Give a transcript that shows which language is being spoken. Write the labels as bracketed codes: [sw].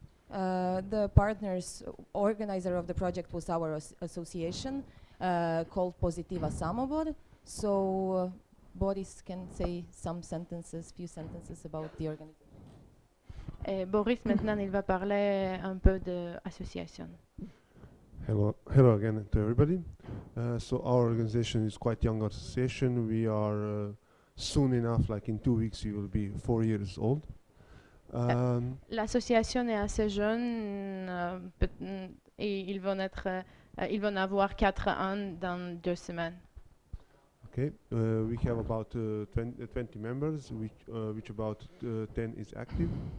[en] The partners, organizer of the project was our association called Positiva Samobor. So Boris can say some sentences, few sentences about the organization. [fr] Et Boris, maintenant, il va parler un peu de l'association. [en] Hello again to everybody. So our organization is quite young association. We are soon enough, like in 2 weeks, you will be 4 years old. [fr] L'association est assez jeune, et ils vont avoir 4 ans dans 2 semaines. [en] Okay, we have about 20 members, which about 10 is active.